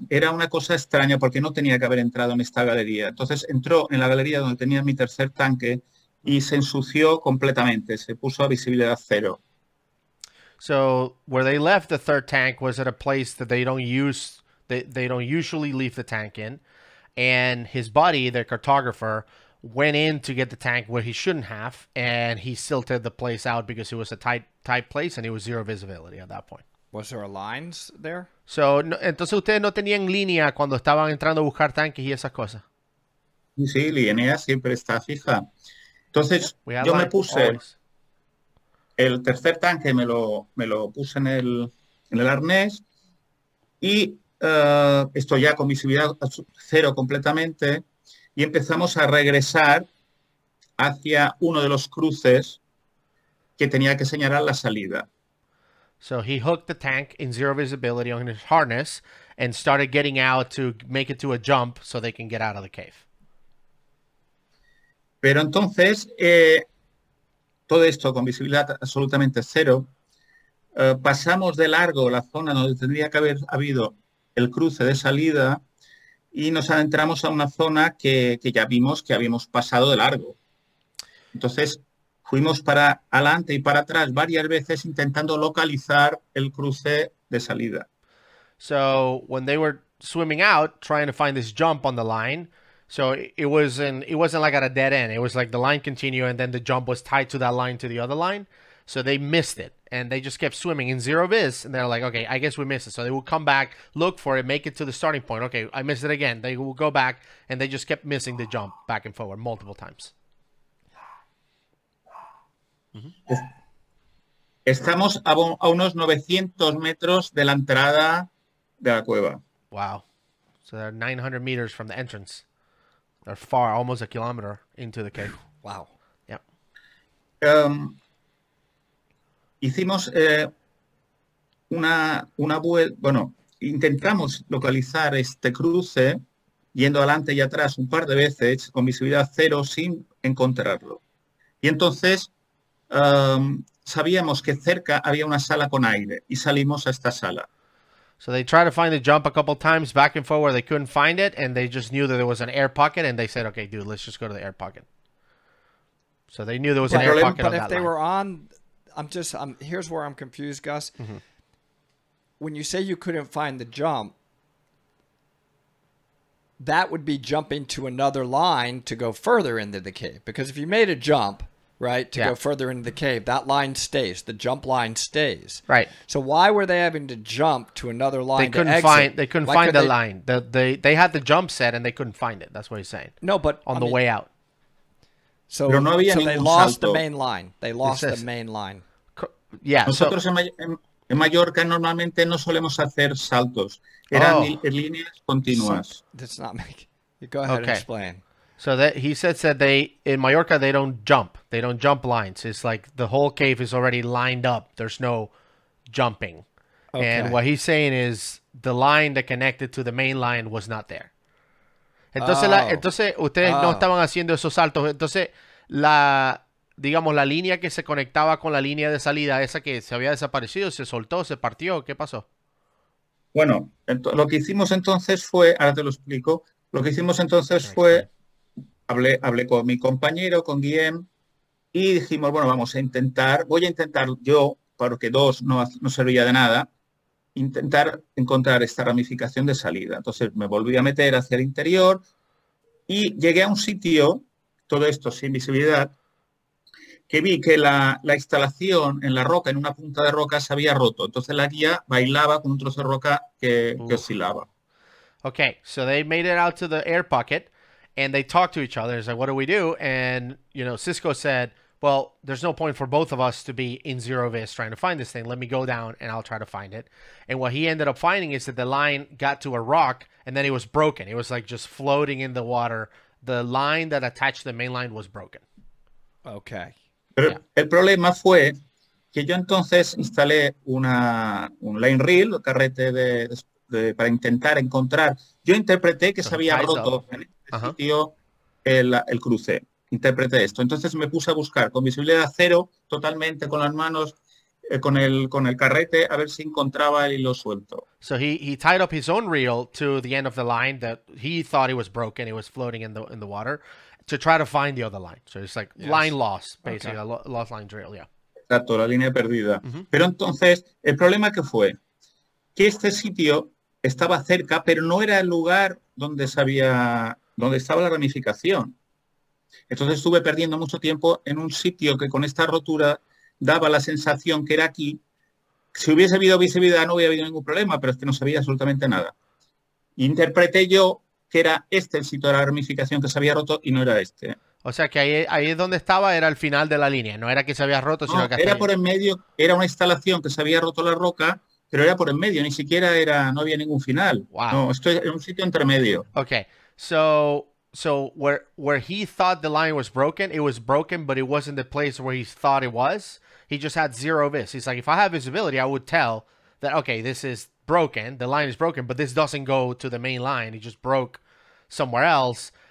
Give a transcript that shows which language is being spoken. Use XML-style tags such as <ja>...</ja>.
<es>Era una cosa extraña porque no tenía que haber entrado en esta galería. Entonces entró en la galería donde tenía mi tercer tanque y se ensució completamente. Se puso a visibilidad cero.</es> <en>So where they left the third tank was at a place that they don't usually leave the tank in. And his buddy, their cartographer, went in to get the tank where he shouldn't have, and he silted the place out because it was a tight place and it was zero visibility at that point. Was there a lines there?</en> <es>So, no, entonces ustedes no tenían línea cuando estaban entrando a buscar tanques y esas cosas. Sí, línea siempre está fija. Entonces, yo me puse el tercer tanque, me lo puse en el arnés, y estoy ya con visibilidad cero completamente, y empezamos a regresar hacia uno de los cruces que tenía que señalar la salida.</es> <en>So he hooked the tank in zero visibility on his harness and started getting out to make it to a jump so they can get out of the cave.</en> <es>Pero entonces, todo esto con visibilidad absolutamente cero, pasamos de largo la zona donde tendría que haber habido el cruce de salida y nos adentramos a una zona que ya vimos que habíamos pasado de largo. Entonces, fuimos para adelante y para atrás varias veces intentando localizar el cruce de salida.</es> <en>So when they were swimming out, trying to find this jump on the line, so it wasn't like at a dead end. It was like the line continued and then the jump was tied to that line to the other line. So they missed it and they just kept swimming in zero vis. And they're like, okay, I guess we missed it. So they would come back, look for it, make it to the starting point. Okay, I missed it again. They would go back and they just kept missing the jump back and forward multiple times. Mm-hmm.</en> <es>Estamos a unos 900 metros de la entrada de la cueva.</es> <en>Wow. So they're 900 meters from the entrance. They're far, almost a kilometer into the cave. Wow. Yep.</en> <es>Hicimos una vuelta. Bueno, intentamos localizar este cruce yendo adelante y atrás un par de veces con visibilidad cero sin encontrarlo. Y entonces sabíamos que cerca había una sala con aire y salimos a esta sala.</es> <en>So they tried to find the jump a couple times back and forward. They couldn't find it and they just knew that there was an air pocket and they said, okay, dude, let's just go to the air pocket. So they knew there was an air pocket on that line. But if they were on, here's where I'm confused, Gus. Mm-hmm. When you say you couldn't find the jump, that would be jumping to another line to go further into the cave. Because if you made a jump, right, to go further into the cave, that line stays. The jump line stays. Right. So why were they having to jump to another line to exit? They couldn't find. They couldn't find the line. They had the jump set and they couldn't find it. That's what he's saying. No, but on the way out. So,</en> <es>pero no había</es> <en>so they lost</en> <es>salto.</es> <en>The main line. They lost says, the main line. Yeah.</en> <es>Nosotros en Mallorca normalmente no solemos hacer saltos. Eran líneas continuas.</es> <en>That's not making... Go ahead okay. and explain. So that he said they in Mallorca they don't jump. They don't jump lines. It's like the whole cave is already lined up. There's no jumping. Okay. And what he's saying is the line that connected to the main line was not there.</en> <es>Entonces, entonces ustedes no estaban haciendo esos saltos. Entonces, la línea que se conectaba con la línea de salida, esa que se había desaparecido, se soltó, se partió. ¿Qué pasó? Bueno, lo que hicimos entonces fue, ahora te lo explico, lo que hicimos entonces fue, hablé con mi compañero, con Guillem, y dijimos, bueno, vamos a intentar, voy a intentar yo, porque dos no servía de nada, intentar encontrar esta ramificación de salida. Entonces me volví a meter hacia el interior y llegué a un sitio, todo esto sin visibilidad, que vi que la instalación en la roca, en una punta de roca, se había roto. Entonces la guía bailaba con un trozo de roca que oscilaba.</es> <en>Okay, so they made it out to the air pocket and they talked to each other. It's like, what do we do? And, you know, Xisco said, well, there's no point for both of us to be in zero vis trying to find this thing. Let me go down and I'll try to find it. And what he ended up finding is that the line got to a rock and then it was broken. It was like just floating in the water. The line that attached the main line was broken. Okay.</en> <es>Pero</es> <en>yeah.</en> <es>El problema fue que yo entonces instalé un line reel, un carrete de para intentar encontrar. Yo interpreté que so se había roto up. En este uh-huh. sitio el cruce. Interpreté esto. Entonces me puse a buscar con visibilidad cero, totalmente con las manos, con el carrete, a ver si encontraba el hilo suelto.</es> <en>So he tied up his own reel to the end of the line that he thought it was broken, it was floating in the water, to try to find the other line. So it's like yes. line loss, basically, okay. lost line drill, yeah.</en> <es>Exacto, la línea perdida. Mm-hmm. Pero entonces, el problema que fue, que este sitio estaba cerca, pero no era el lugar donde estaba la ramificación. Entonces estuve perdiendo mucho tiempo en un sitio que con esta rotura daba la sensación que era aquí. Si hubiese habido visibilidad no hubiera habido ningún problema, pero es que no sabía absolutamente nada. Interpreté yo que era este el sitio de la ramificación que se había roto y no era este. O sea que ahí es donde estaba, era el final de la línea, no era que se había roto, sino no, que era por en medio, era una instalación que se había roto la roca, pero era por en medio, ni siquiera era, no había ningún final.</es> <en>Wow.</en> <es>No, esto es un sitio entre medio.</es> <en>Okay, so... So where he thought the line was broken, it was broken, but it wasn't the place where he thought it was. He just had zero vis. He's like, if I have visibility, I would tell that, okay, this is broken. The line is broken, but this doesn't go to the main line. It just broke somewhere else.</en>